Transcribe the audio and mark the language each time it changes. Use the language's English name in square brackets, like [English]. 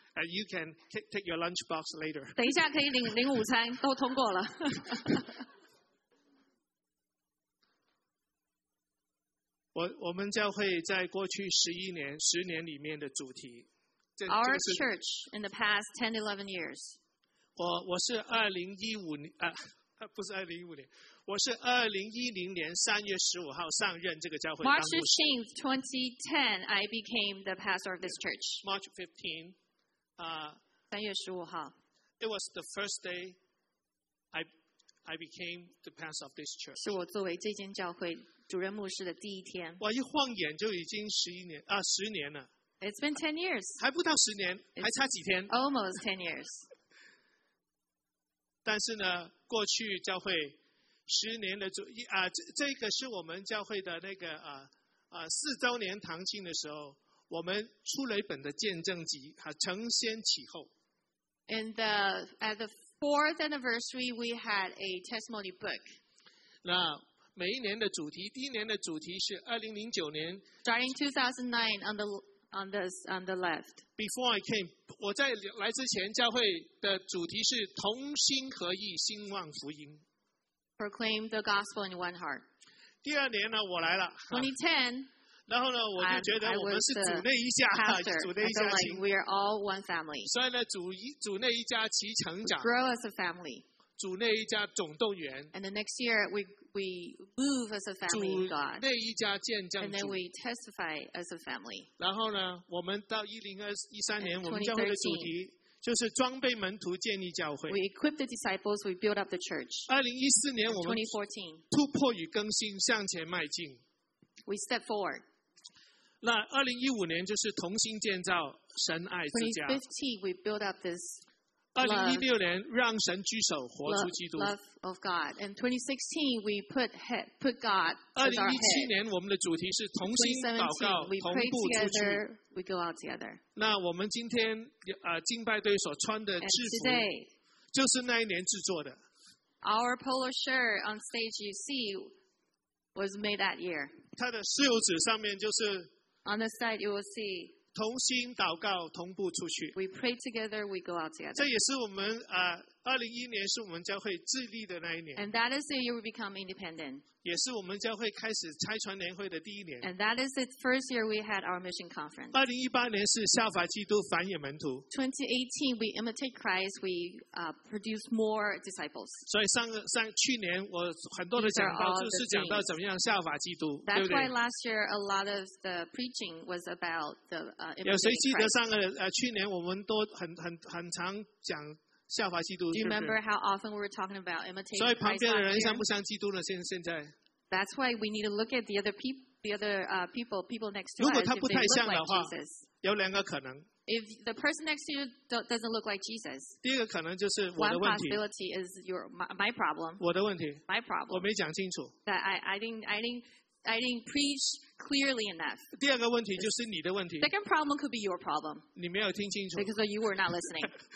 [English] And you can take your lunch box later. [Chinese] 等一下可以领午餐，都通过了。我们教会在过去十年里面的主题。 [English] Our church in the past 10-11 years. [Chinese] 我是2010年3月15号上任这个教会当牧师。 [English] March 15th, 2010, I became the pastor of this church. March 15, [Chinese] 3月15号。 [English] It was the first day I became the pastor of this church. [Chinese] 是我作为这间教会主任牧师的第一天。我一晃眼就已经10年了。 [English] It's been 10 years. [Chinese] 还不到十年，还差几天。 [English] Almost 10 years. [Chinese] 但是呢，过去教会十年的这个是我们教会的那个四周年堂庆的时候，我们出了一本的见证集啊，承先启后。 [English] At the fourth anniversary, we had a testimony book. [Chinese] 那每一年的主题，第一年的主题是2009年。 [English] Starting 2009 on the left. Before I came, [Chinese] 我在来之前，教会的主题是同心合意，兴旺福音。 [English] Proclaim the gospel in one heart. [Chinese] 第二年呢，我来了。 [English] 2010. [Chinese] 然后呢，我就觉得我们是主内一家，主内一家亲。 [English] Like, we are all one family. [Chinese] 所以呢，主内一家齐成长。 [English] Grow as a family. [Chinese] 主内一家总动员。 [English] And the next year we move as a family of God. [Chinese] 主内一家见证主。 [English] And then we testify as a family. [Chinese] 然后呢，我们到2013年，我们教会的主题。就是装备门徒，建立教会。 [English] We equip the disciples. We build up the church. [Chinese] 2014年，我们突破与更新，向前迈进。 [English] We step forward. [Chinese] 那2015年就是同心建造神爱之家。 [English] 2015, we build up this. [Chinese] 2016年，让神居首，活出基督。 [English] Love of God. And 2016, we put God. [Chinese] 2017年，我们的主题是同心祷告，同步出去。 [English] We go out together. [Chinese] 那我们今天敬拜队所穿的制服，就是那一年制作的。 [English] Our polo shirt on stage you see was made that year. [Chinese] 它的室友纸上面就是。 [English] On the side you will see. [Chinese] 同心祷告，同步出去。 [English] We pray together. We go out together. [Chinese] 这也是我们2011年是我们教会自立的那一年。 [English] And that is the year we become independent. [Chinese] 也是我们教会开始拆船联会的第一年。 [English] And that is the first year we had our mission conference. [Chinese] 2018年是效法基督，繁衍门徒。 [English] 2018, we imitate Christ. We produce more disciples. [Chinese] 所以去年我很多的讲到就是讲到怎么样效法基督，对不对 [English] ？That's why last year a lot of the preaching was about the imitating Christ. [Chinese] 有谁记得上个去年我们都很常讲。效法基督。 [English] Do you remember how often we were talking about imitating Christ? [Chinese] 所以旁边的人像不像基督呢？现在。 [English] That's why we need to look at the other people next to us. [Chinese] 如果他不太像的话，有两个可能。 [English] If the person next to you doesn't look like Jesus, [Chinese] 第一个可能就是我的问题。 [English] One possibility is my problem. [Chinese] 我的问题。 [English] My problem. [Chinese] 我没讲清楚。 [English] That I didn't preach clearly enough. [Chinese] 第二个问题就是你的问题。 [English] Second problem could be your problem. [Chinese] 你没有听清楚。 [English] Because you were not listening.